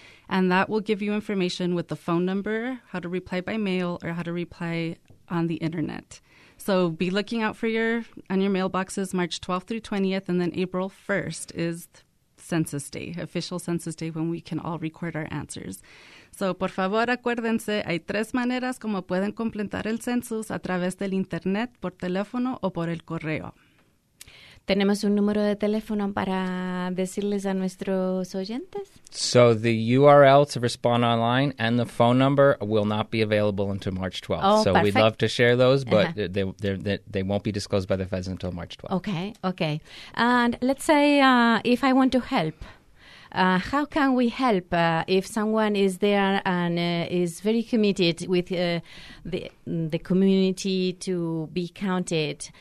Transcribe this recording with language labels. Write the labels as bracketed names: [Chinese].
[English] And that will give you information with the phone number, how to reply by mail, or how to reply on the internet. So be looking out for your mailboxes March 12th through 20th, and then April 1st is Census Day, official Census Day, when we can all record our answers. [Spanish] So, por favor, acuérdense, hay tres maneras como pueden completar el census: a través del internet, por teléfono o por el correo. ¿Tenemos un número de teléfono para decirles a nuestros oyentes? [English] So, the URL to respond online and the phone number will not be available until March 12th. Oh, so, perfect. We'd love to share those, but they won't be disclosed by the feds until March 12th. Okay, okay. And let's say if I want to help. How can we help if someone is there and is very committed with the community to be counted?